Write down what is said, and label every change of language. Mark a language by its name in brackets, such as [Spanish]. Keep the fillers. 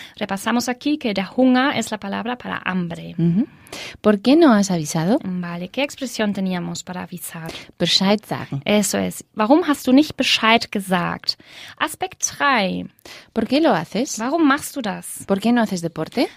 [Spanish] Repasamos aquí que der Hunger es la palabra para hambre. ¿Por qué no has avisado? Vale, ¿qué expresión teníamos para avisar? [German] Bescheid sagen. [Spanish] Eso es. [German] Warum hast du nicht Bescheid gesagt? [Spanish] Aspekt 3. ¿Por qué lo haces? [German] Warum machst [Spanish] ¿Por qué no haces deporte?